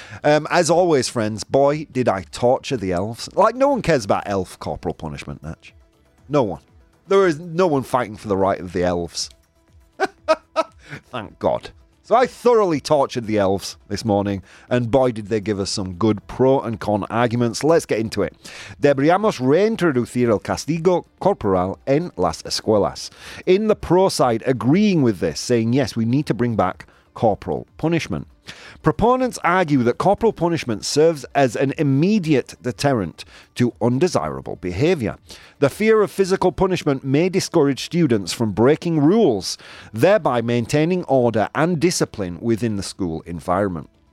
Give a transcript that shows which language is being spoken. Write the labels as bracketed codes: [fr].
[en] As always, friends, boy, did I torture the elves. Like, no one cares about elf corporal punishment, Natch. No one. There is no one fighting for the right of the elves. Thank God. So I thoroughly tortured the elves this morning, and boy, did they give us some good pro and con arguments. Let's get into it. [es] Deberíamos reintroducir el castigo corporal en las escuelas. [en] In the pro side, agreeing with this, saying, yes, we need to bring back corporal punishment. Proponents argue that corporal punishment serves as an immediate deterrent to undesirable behaviour. The fear of physical punishment may discourage students from breaking rules, thereby maintaining order and discipline within the school environment.